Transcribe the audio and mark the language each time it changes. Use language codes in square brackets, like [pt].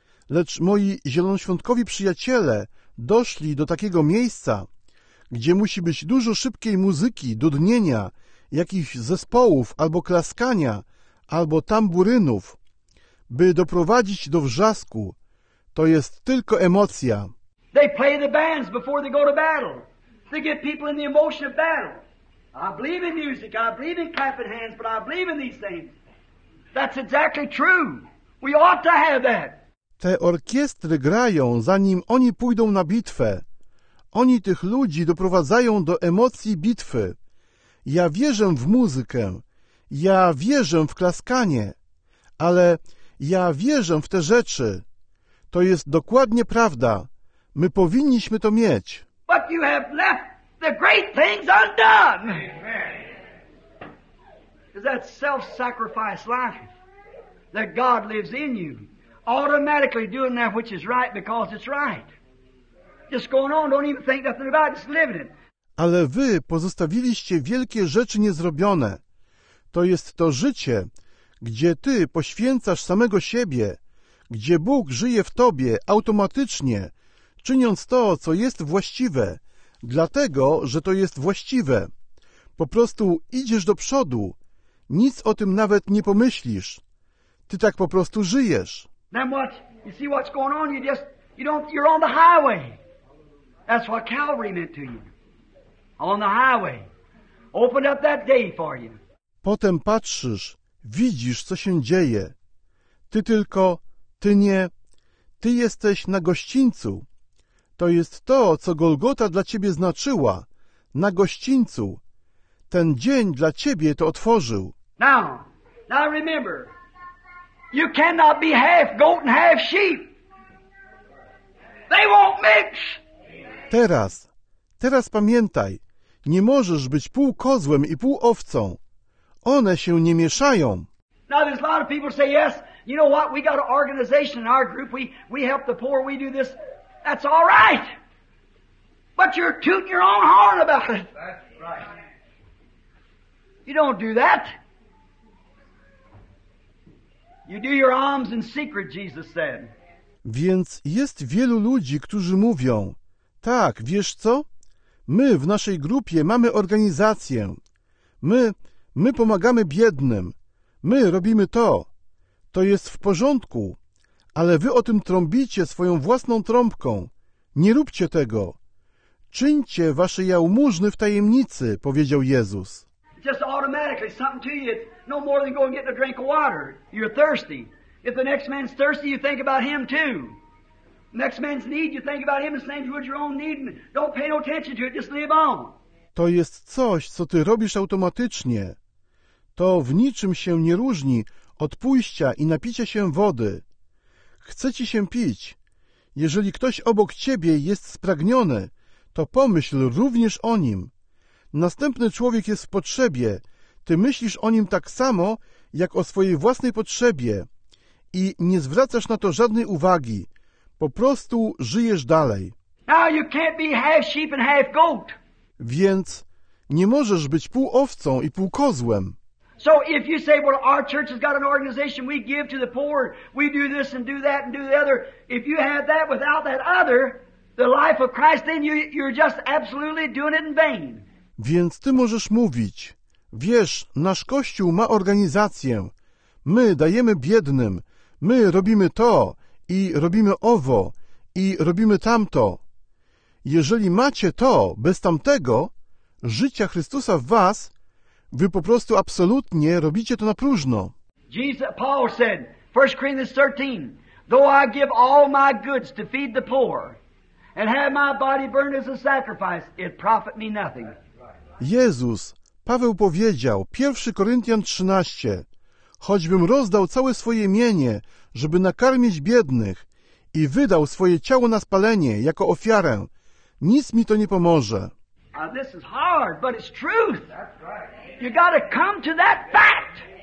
[pl] Lecz moi zielonoświątkowi przyjaciele doszli do takiego miejsca, gdzie musi być dużo szybkiej muzyki, dudnienia, jakichś zespołów albo klaskania, albo tamburynów. By doprowadzić do wrzasku, to jest tylko emocja. [en] They play the bands before they go to battle. They get people in the emotion of battle. I believe in music, I believe in clapping hands, but I believe in these things. That's exactly true. We ought to have that. [pl] Te orkiestry grają, zanim oni pójdą na bitwę. Oni tych ludzi doprowadzają do emocji bitwy. Ja wierzę w muzykę. Ja wierzę w klaskanie. Ale... ja wierzę w te rzeczy. To jest dokładnie prawda. My powinniśmy to mieć. [en] But you have left the great things undone. Amen. Is that self-sacrifice life that God lives in you, automatically doing that which is right because it's right. Just going on, don't even think nothing about it, just living it. [pl] Ale wy pozostawiliście wielkie rzeczy niezrobione. To jest to życie, gdzie ty poświęcasz samego siebie, gdzie Bóg żyje w tobie automatycznie, czyniąc to, co jest właściwe, dlatego, że to jest właściwe. Po prostu idziesz do przodu, nic o tym nawet nie pomyślisz. Ty tak po prostu żyjesz. [en] Then what, you see what's going on, you just, you don't, you're on the highway. That's what Calvary meant to you. On the highway. Open up that day for you. [pl] Potem patrzysz, widzisz, co się dzieje. Ty tylko, ty nie, ty jesteś na gościńcu. To jest to, co Golgota dla ciebie znaczyła, na gościńcu. Ten dzień dla ciebie to otworzył. [en] Now remember, you cannot be half goat and half sheep. They won't mix. [pl] Teraz pamiętaj, nie możesz być pół kozłem i pół owcą. One się nie mieszają. [en] Now there's a lot of people say, yes, you know what, we got an organization in our group, we help the poor, we do this. That's all right. But you're tooting your own horn about it. That's right. You don't do that. You do your alms in secret, Jesus said. [pl] Więc jest wielu ludzi, którzy mówią, tak, wiesz co? My w naszej grupie mamy organizację. My pomagamy biednym. My robimy to. To jest w porządku. Ale wy o tym trąbicie swoją własną trąbką. Nie róbcie tego. Czyńcie wasze jałmużny w tajemnicy, powiedział Jezus. [en] Just automatically, something to you. It's no more than going getting a drink of water. You're thirsty. If the next man's thirsty, you think about him too. Next man's need, you think about him the same as your own need. Don't pay no attention to it, just live on. [pl] To jest coś, co ty robisz automatycznie. To w niczym się nie różni od pójścia i napicia się wody. Chce ci się pić. Jeżeli ktoś obok ciebie jest spragniony, to pomyśl również o nim. Następny człowiek jest w potrzebie. Ty myślisz o nim tak samo, jak o swojej własnej potrzebie. I nie zwracasz na to żadnej uwagi. Po prostu żyjesz dalej. [en] Now you can't be half sheep and half goat. [pl] Więc nie możesz być pół owcą i pół kozłem. [en] So if you say, well, our church has got an organization, we give to the poor, we do this and do that and do the other. If you have that without that other, the life of Christ, then you're just absolutely doing it in vain. [pl] Więc ty możesz mówić, wiesz, nasz Kościół ma organizację. My dajemy biednym, my robimy to i robimy owo i robimy tamto. Jeżeli macie to bez tamtego, życia Chrystusa w was, wy po prostu absolutnie robicie to na próżno. [en] Jesus, Paul said, 1 Corinthians 13, though I give all my goods to feed the poor and have my body burned as a sacrifice, it profit me nothing. [pl] Jezus, Paweł powiedział, 1 Koryntian 13, choćbym rozdał całe swoje mienie, żeby nakarmić biednych i wydał swoje ciało na spalenie jako ofiarę, nic mi to nie pomoże. [en] Now this is hard, but it's truth. That's right. You got to come to that fact.